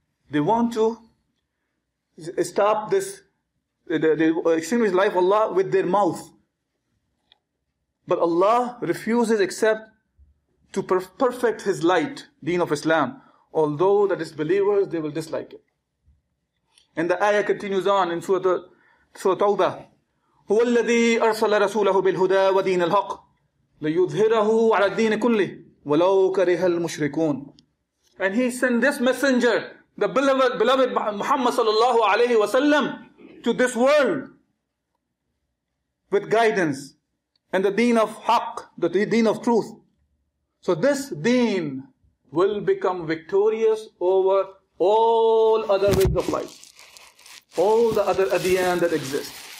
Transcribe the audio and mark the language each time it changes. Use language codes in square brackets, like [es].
[en] They want to stop this, they extinguish the life of Allah with their mouth. But Allah refuses except to perfect His light, deen of Islam, although the disbelievers, they will dislike it. And the ayah continues on in Surah Tawbah. [ar] هو الذي أرسل رسوله بالهدى ودين الحق لِيُظْهِرَهُ عَلَى الدِّينِ كُلِّهِ وَلَوْ كَرِهَ الْمُشْرِكُونَ. [en] And he sent this messenger, the beloved Muhammad sallallahu alayhi wa sallam, to this world with guidance and the deen of haq, the deen of truth. So this deen will become victorious over all other ways of life, all the other adiyan that exist.